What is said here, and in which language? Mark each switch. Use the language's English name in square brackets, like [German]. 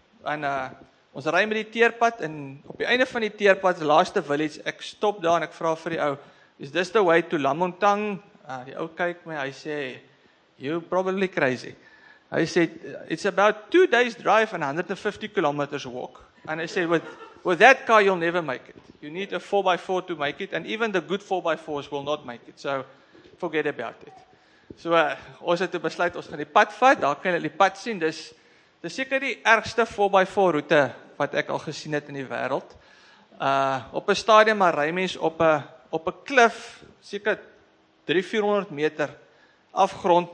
[Afrikaans] Ons ry met die teerpad en op die einde van die teerpad, die laaste village, ek stop daar en ek vraag vir die ou, [English] is this the way to Lamontang? [Afrikaans] Die ou kyk my, hy sê, [English] you probably crazy. [Afrikaans] Hy sê, [English] it's about 2 days drive and 150 kilometers walk. And [Afrikaans] hy sê, [English] with that car you'll never make it. You need a 4x4 to make it and even the good 4x4s will not make it. So, forget about it. [Afrikaans] So, ons het besluit, ons gaan die pad vat, daar kan hulle die pad sien, dis dis seker die ergste 4x4 route wat ek al gesien het in die wêreld. Op 'n stadium maar ry mens op 'n klif, seker 300-400 meter afgrond.